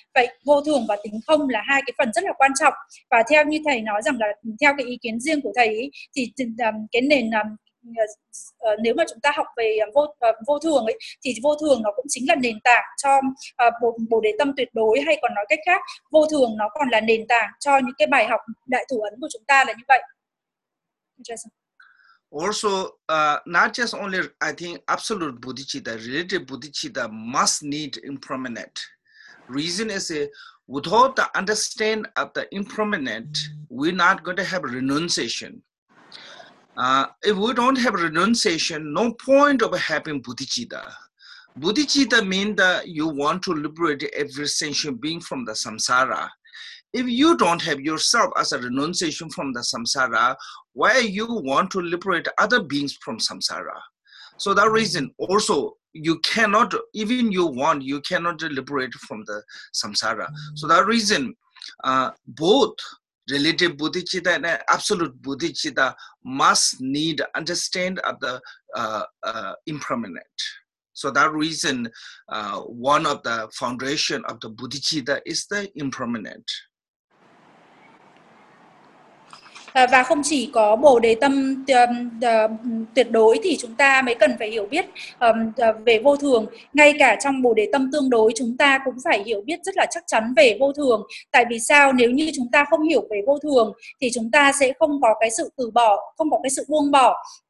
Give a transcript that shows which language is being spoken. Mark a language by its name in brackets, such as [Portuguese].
[Vietnamese] Vậy vô thường và tính không là hai cái phần rất là quan trọng. Và theo như thầy nói rằng là theo cái ý kiến riêng của thầy ý, thì cái nền nếu mà chúng ta học về vô thường ấy thì vô thường nó cũng chính là nền tảng cho Bồ Đề Tâm tuyệt đối, hay còn nói cách khác vô thường nó còn là nền tảng cho những cái bài học Đại Thủ Ấn của chúng ta là như vậy. [English] Also, not just only I think absolute bodhicitta, relative bodhicitta must need impermanent. Reason is without the understand of the impermanent, we're not going to have renunciation. If we don't have renunciation, no point of having bodhicitta. Bodhicitta means that you want to liberate every sentient being from the samsara. If you don't have yourself as a renunciation from the samsara, why you want to liberate other beings from samsara? So that reason also, you cannot, even you want, you cannot liberate from the samsara. So that reason, both relative bodhicitta and absolute bodhicitta must need understand of the impermanent. So that reason, one of the foundation of the bodhicitta is the impermanent. [Vietnamese] Và không chỉ có Bồ Đề Tâm tuyệt đối thì chúng ta mới cần phải hiểu biết về vô thường. Ngay cả trong Bồ Đề Tâm tương đối chúng ta cũng phải hiểu biết rất là chắc chắn về vô thường. Tại vì sao? Nếu như chúng ta không hiểu về vô thường thì chúng ta sẽ không có cái sự từ bỏ, không có cái sự buông bỏ.